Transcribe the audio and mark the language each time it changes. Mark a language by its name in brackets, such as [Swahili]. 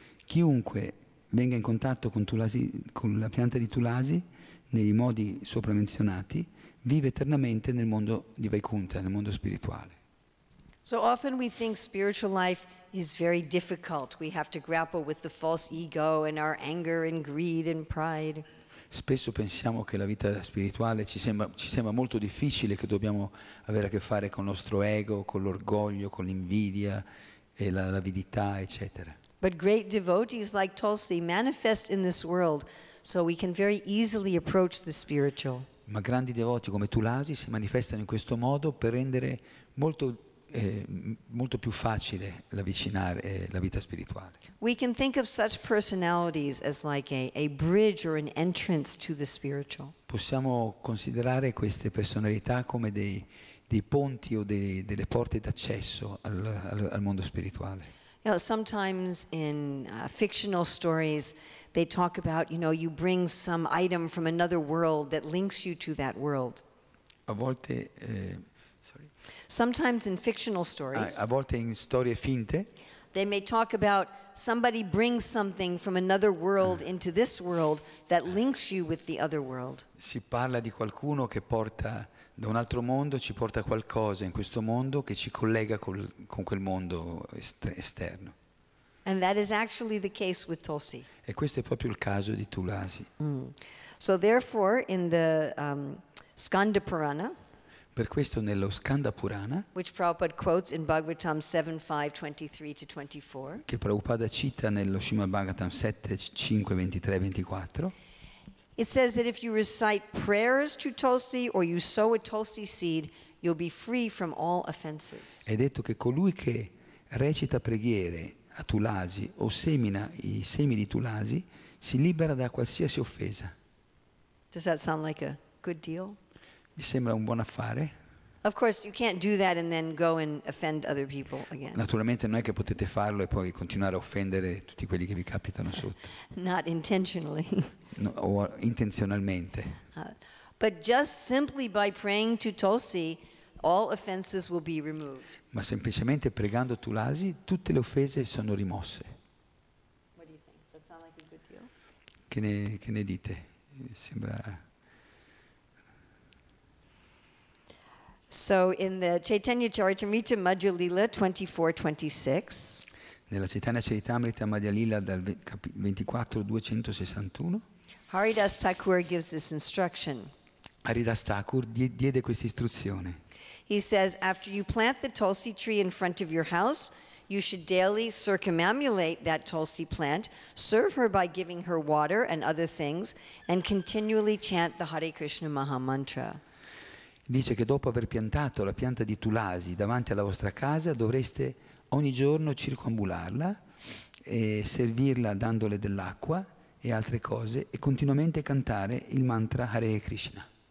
[Italian] Chiunque venga in contatto con la pianta di Tulasi, nei modi sopra menzionati, vive eternamente nel mondo di Vaikuntha, nel mondo spirituale. [English] So often we think spiritual life is very difficult. We have to grapple with the false ego and our anger and greed and pride. [Italian] Spesso pensiamo che la vita spirituale ci sembra molto difficile, che dobbiamo avere a che fare con il nostro ego, con l'orgoglio, con l'invidia e l'avidità, eccetera. [English] But great devotees like Tulsi manifest in this world, so we can very easily approach the spiritual. [Italian] Ma grandi devoti come Tulasi si manifestano in questo modo per rendere molto molto più facile l'avvicinare la vita spirituale. [English] We can think of such personalities as like a bridge or an entrance to the spiritual. [Italian] Possiamo considerare queste personalità come dei ponti o delle porte d'accesso al mondo spirituale. [English] You know, sometimes in fictional stories they talk about, you know, you bring some item from another world that links you to that world. [Italian] A volte [English] sometimes in fictional stories, [Italian] a volte in storie finte, [English] they may talk about somebody brings something from another world into this world that links you with the other world. [Italian] Si parla di qualcuno che porta da un altro mondo, ci porta qualcosa in questo mondo che ci collega con quel mondo esterno. [English] And that is actually the case with Tulsi. [Italian] E questo è proprio il caso di Tulasi. Mm. [English] So therefore, in the Skanda Purana. [Italian] Per questo nello Skanda Purana, [English] which Prabhupada quotes in Bhagavatam 7, 5, 23-24, [Italian] che Prabhupada cita nello Srimad Bhagavatam 7, 5, 23, 24, [English] it says that if you recite prayers to Tulsi or you sow a Tulsi seed, you'll be free from all offenses. [Italian] È detto che colui che recita preghiere a Tulasi o semina i semi di Tulasi si libera da qualsiasi offesa. [English] Does that sound like a good deal? [Italian] Mi sembra un buon affare. [English] Of course, you can't do that and then go and offend other people again. [Italian] Naturalmente non è che potete farlo e poi continuare a offendere tutti quelli che vi capitano sotto. [English] Not intentionally. [Italian] No, o intenzionalmente. [English] But just simply by praying to Tulsi, all offenses will be removed. [Italian] Ma semplicemente pregando Tulasi, tutte le offese sono rimosse. [English] What do you think? Does that sound like a good deal? [Italian] Che ne dite? Sembra. [English] So in the Chaitanya Charitamrita Madhya Lila 24-26. [Italian] Nella Chaitanya Charitamrita Madhya Lila dal 24-261. [English] Haridas Thakur gives this instruction. [Italian] Haridas Thakur diede questa istruzione. [English] He says, after you plant the Tulsi tree in front of your house, you should daily circumambulate that Tulsi plant, serve her by giving her water and other things, and continually chant the Hare Krishna Maha Mantra. [Italian] dice che dopo aver piantato la pianta di Tulasi davanti alla vostra casa dovreste ogni giorno circumambularla e servirla dandole dell'acqua e altre cose e continuamente cantare il mantra Hare Krishna.